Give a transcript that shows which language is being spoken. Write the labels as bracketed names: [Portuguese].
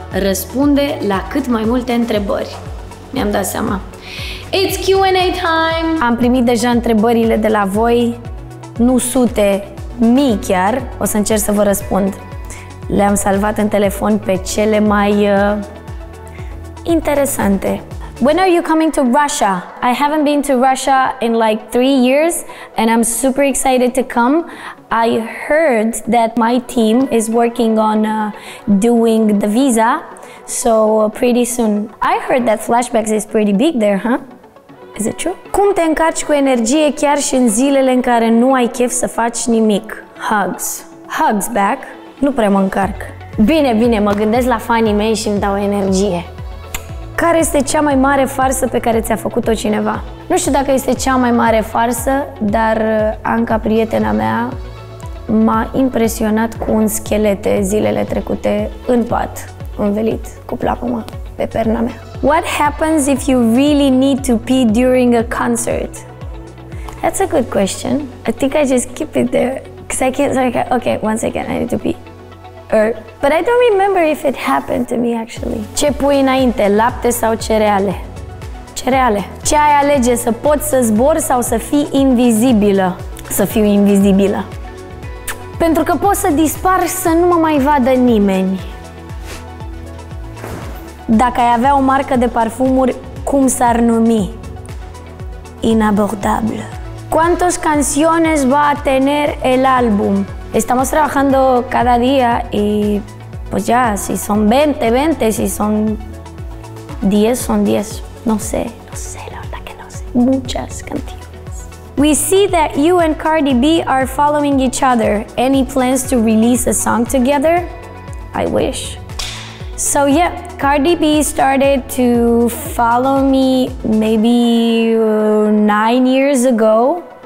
[Romanian] Răspunde la cât mai multe întrebări. Mi-am dat seama. [English] It's Q&A time! [Romanian] Am primit deja întrebările de la voi. Nu sute, mii chiar. O să încerc să vă răspund. Le-am salvat în telefon pe cele mai interesante. [English] When are you coming to Russia? I haven't been to Russia in like 3 years and I'm super excited to come. I heard that my team is working on doing the visa, so pretty soon. I heard that Flashbacks is pretty big there, huh? Is it true? [Romanian] Cum te încarci cu energie chiar și în zilele în care nu ai chef să faci nimic? [English] Hugs. Hugs back. [Romanian] Nu prea mă încarc. Bine, bine, mă gândesc la fanii mei și îmi dau energie. Care este cea mai mare farsă pe care ți-a făcut-o cineva? Nu știu dacă este cea mai mare farsă, dar Anca, prietena mea, m-a impresionat cu un schelet zilele trecute în pat, învelit, cu plapuma pe perna mea. [English] What happens if you really need to pee during a concert? That's a good question. I think I just keep it there. Because I can't, sorry, okay, one second, I need to pee. But I don't remember if it happened to me, actually. [Romanian] Ce pui înainte, lapte sau cereale? Cereale. Ce ai alege, să poți să zbor sau să fii invizibilă? Să fiu invizibilă. Pentru că pot să dispar să nu mă mai vadă nimeni. Dacă ai avea o marcă de parfumuri, cum s-ar numi? Inabordabil. [Spanish] ¿Cuántas canciones va a tener el álbum? Estamos trabajando cada día y pues ya, si son 20, 20, si son 10, son 10. No sé, no sé, la verdad que no sé. Muchas canciones. [English] We see that you and Cardi B are following each other. Any plans to release a song together? I wish. So yeah, Cardi B started to follow me maybe 9 years ago.